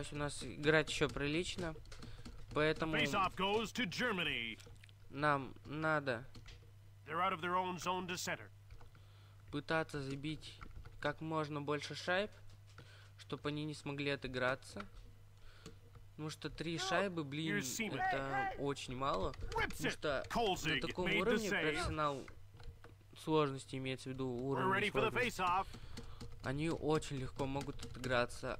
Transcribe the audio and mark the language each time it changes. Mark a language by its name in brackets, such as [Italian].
[Russian] Осталось у нас играть еще прилично, поэтому [English] face-off goes to Germany. [Russian] Нам надо. [English] They're out of their own zone to center. [Russian] Пытаться забить как можно больше шайб, чтобы они не смогли отыграться. Потому что 3 шайбы, блин, это очень мало. Потому что на таком уровне профессионал сложности, имеется в виду уровень сложности, они очень легко могут отыграться.